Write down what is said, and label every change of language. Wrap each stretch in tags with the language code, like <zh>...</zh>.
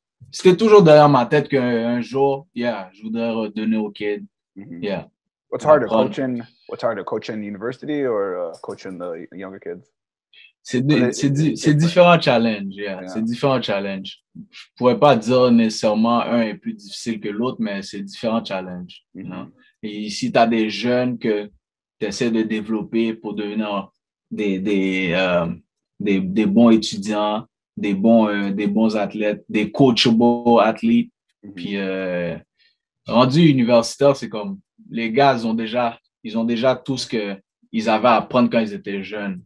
<fr>C'était toujours derrière ma tête qu'un jour, je voudrais redonner aux kids,</fr> <en>What's harder, coaching university or coaching the younger kids?</en> <fr>C'est différents challenges.</fr> <en>Yeah.</en> <fr>C'est différents challenges. Je ne pourrais pas dire nécessairement un est plus difficile que l'autre, mais c'est différents challenges. Mm-hmm. Et si tu as des jeunes que tu essaies de développer pour devenir des bons étudiants, des bons athlètes, des coachable athlètes, puis rendu universitaire, c'est comme les gars, ils ont déjà tout ce qu'ils avaient à apprendre quand ils étaient jeunes.</fr>